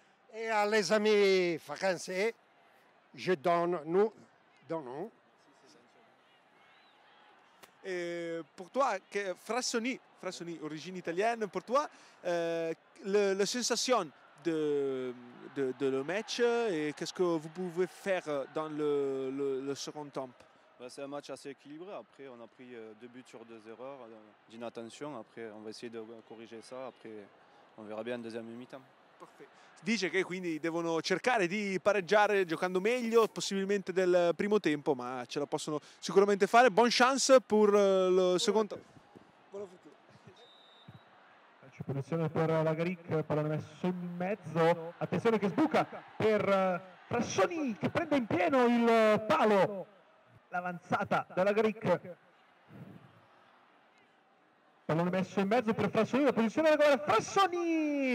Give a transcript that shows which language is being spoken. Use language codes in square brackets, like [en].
[it] E all'esame francese, [fr] je donne nous, donnons. Pour toi, que frassoni, origine italienne, pour toi, la sensation de le match, et qu'est-ce que vous pouvez faire dans le second temps? C'est un match assez équilibré. Après, on a pris deux buts sur deux erreurs d'inattention. Après, on va essayer de corriger ça. Après, on verra bien en deuxième mi-temps. [it] Perfetto. Dice che quindi devono cercare di pareggiare giocando meglio possibilmente del primo tempo, ma ce la possono sicuramente fare. [fr] Bonne chance pour le secondo. [it] Buona fortuna. C'è posizione per Lagaric, pallone messo in mezzo. Attenzione che sbuca per Frassoni, che prende in pieno il palo. L'avanzata della Gric. Pallone messo in mezzo per Frassoni, la posizione regolare. Frassoni!